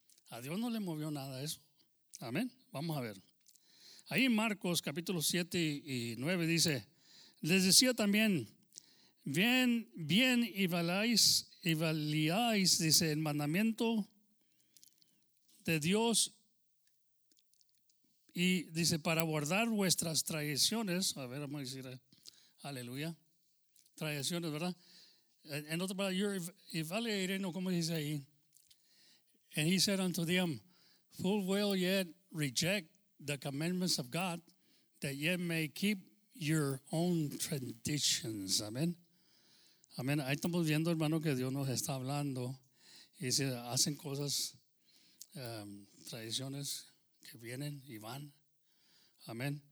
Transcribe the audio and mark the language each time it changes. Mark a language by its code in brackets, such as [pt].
[es] A Dios no le movió nada eso. Amén. Vamos a ver. Ahí en Marcos capítulo 7 y 9 dice, les decía también, bien, bien y valiáis, dice, el mandamiento de Dios, y dice, para guardar vuestras tradiciones. A ver, vamos a decir, aleluya. Tradiciones, ¿verdad? En otra palabra, [en] you're evaluating, [es] o como dice ahí. [en] And he said unto them, full well yet reject the commandments of God, that ye may keep your own traditions. [es] Amén. Amén. Ahí estamos viendo, hermano, que Dios nos está hablando. Y dice, hacen cosas, tradiciones que vienen y van. Amén.